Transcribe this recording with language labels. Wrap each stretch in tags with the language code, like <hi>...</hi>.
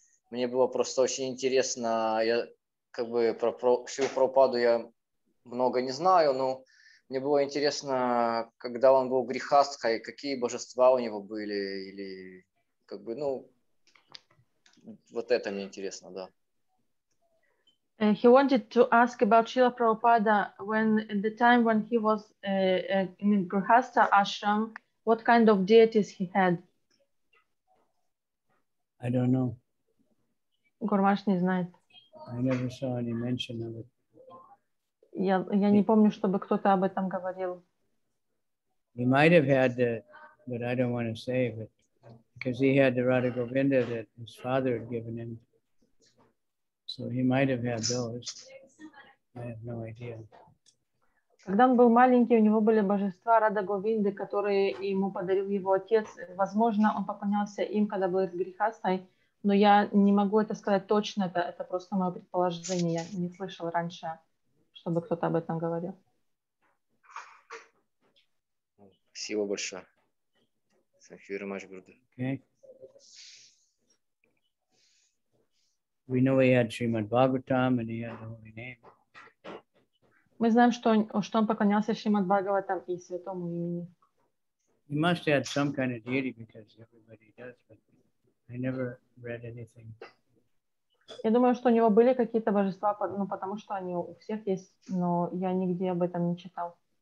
<ru>Мне было просто очень интересно, я как бы про Шиву Прабхупаду я много не знаю, но мне было интересно, когда он был грихастхой, какие божества у него были, или как бы, ну, Вот это мне интересно, да.</ru> <en>He wanted to ask about Srila Prabhupada when in the time when he was in Grihastha ashram, what kind of deities he had? I don't know.</en> <ru>Гурмаш не знает.</ru> <en>I never saw any mention of it.</en> <ru>Я не помню, чтобы кто-то об этом говорил.</ru> <en>He might have had the, but I don't want to say it, because he had the Radha Govinda that his father had given him. So he might have had those. I have no idea.</en> <ru>Когда он был маленький, у него были божества Радха Говинды, которые ему подарил его отец. Возможно, он поклонялся им, когда был в Грихастхе, но я не могу это сказать точно, это просто мое предположение. Я не слышал раньше, чтобы кто-то об этом говорил. Спасибо большое.</ru> <en>Thank you very much, Guru. Okay. We know he had Srimad Bhagavatam and he had the holy name.</en> <ru>Мы знаем, что он поклонялся Шримад Бхагаватам и святому имени.</ru> <en>He must have had some kind of deity because everybody does, but I never read anything.</en> <ru>Я думаю, что у него были какие-то божества, ну, потому что они у всех есть, но я нигде об этом не читал.</ru>